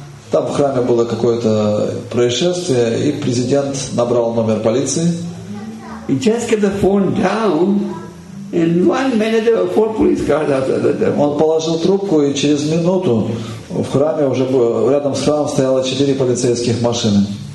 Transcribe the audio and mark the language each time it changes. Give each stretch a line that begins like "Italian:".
Russian: Там в храме было какое-то происшествие, и президент набрал номер полиции.
English: He just got the phone down, and 1 minute there were 4 police cars outside the temple.
Russian: Он положил трубку, и через минуту в храме уже рядом с храмом стояло 4 полицейских машины.